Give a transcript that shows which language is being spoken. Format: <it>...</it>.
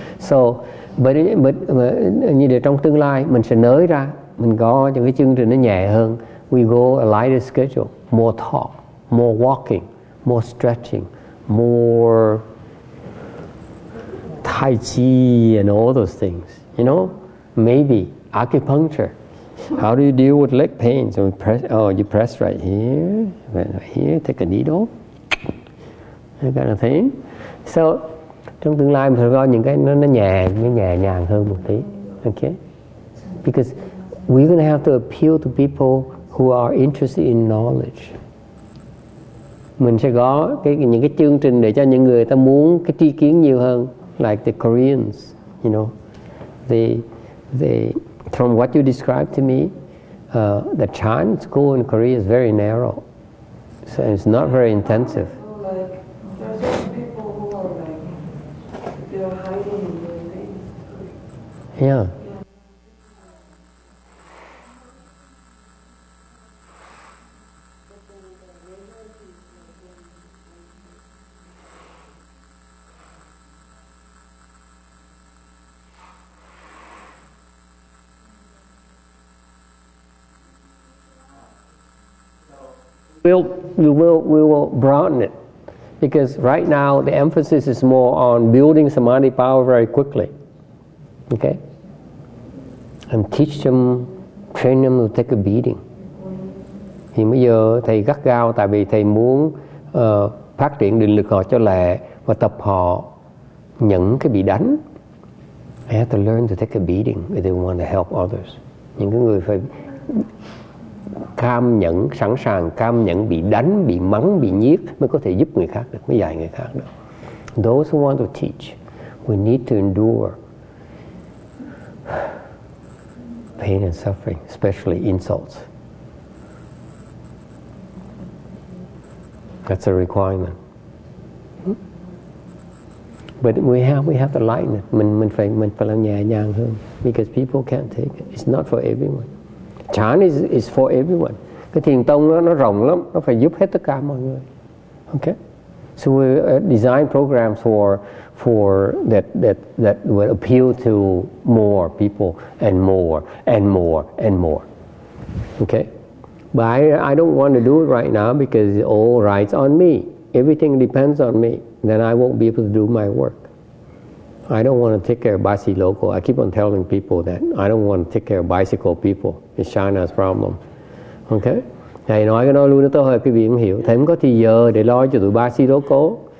<vi>So, but như để trong tương lai mình sẽ nới ra, mình có những cái chương trình nó nhẹ hơn.</vi> <en>We go a lighter schedule, more talk, more walking, more stretching, more tai chi and all those things. You know, maybe acupuncture. How do you deal with leg pain? So you press right here, right here, take a needle, that kind of thing.</en> <vi>So, trong tương lai mình sẽ có những cái nó nhẹ nhàng hơn một tí, okay?</vi> <en>Because we're going to have to appeal to people who are interested in knowledge.</en> <vi>Mình sẽ có những cái chương trình để cho những người ta muốn cái tri kiến nhiều hơn,</vi> <en>like the Koreans, you know, they. From what you described to me, the Chan school in Korea is very narrow. So it's not very intensive. Like, there are certain people who are like, they are hiding in their things. Yeah. We will broaden it, because right now the emphasis is more on building samadhi power very quickly, okay? And teach them, train them to take a beating.</en> <vi>Thì bây giờ thầy gắt gao tại vì thầy muốn phát triển định lực họ cho lẹ và tập họ nhẫn cái bị đánh.</vi> <en>They have to learn to take a beating if they want to help others.</en> <vi>Những cái người phải cam nhẫn, sẵn sàng cam nhẫn bị đánh, bị mắng, bị nhiếc mới có thể giúp người khác được, mới dạy người khác được.</vi> <en>Those who want to teach, we need to endure pain and suffering, especially insults. That's a requirement. But we have to lighten it.</en> <vi>Mình phải làm nhẹ nhàng hơn,</vi> <en>because people can't take it. It's not for everyone. Chán is for everyone.</en> <vi>Cái thiền tông nó rộng lắm, nó phải giúp hết tất cả mọi người.</vi> <en>Okay? So we design programs for that will appeal to more people and more and more and more. Okay? But I don't want to do it right now, because it all rides on me. Everything depends on me. Then I won't be able to do my work. I don't want to take care of bicycle local. I keep on telling people that I don't want to take care of bicycle people. It's China's problem. Okay?</en> <vi>Thầy nói cái đó luôn, tôi hơi cái biển hiểu. Thầy không có thì giờ để lo cho tụi bicycle local.</vi>